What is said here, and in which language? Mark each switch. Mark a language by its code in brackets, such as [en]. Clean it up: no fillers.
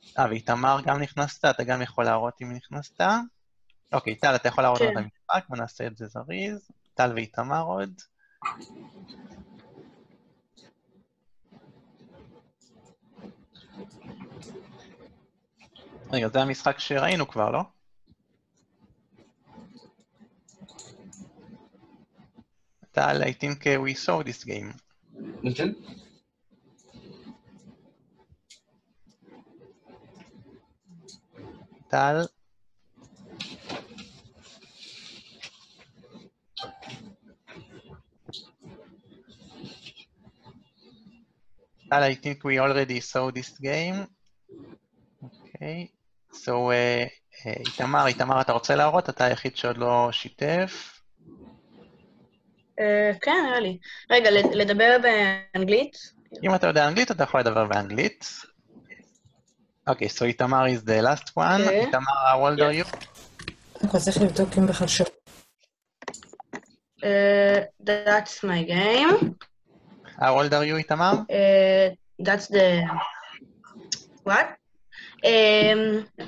[he] ואיתמר גם נכנסת, אתה גם יכול להראות אם נכנסת. אוקיי, טל, אתה יכול להראות את המשחק, ונעשה את זה זריז. טל ואיתמר עוד. רגע, זה המשחק שראינו כבר, לא? [en] טל, I think we saw this game. טל? טל, I think we already saw this game. [he] אוקיי. So, איתמר, אתה רוצה להראות? אתה היחיד שעוד לא שיתף. כן, נראה לי. רגע, לדבר באנגלית? אם אתה יודע אנגלית, אתה יכול לדבר באנגלית. [en] אוקיי, so Itamar is the last one. Itamar, how old are you? [he] אתה צריך לבדוק אם בכלל ש... [en] That's my game. How old are you, Itamar? That's the... What? 12.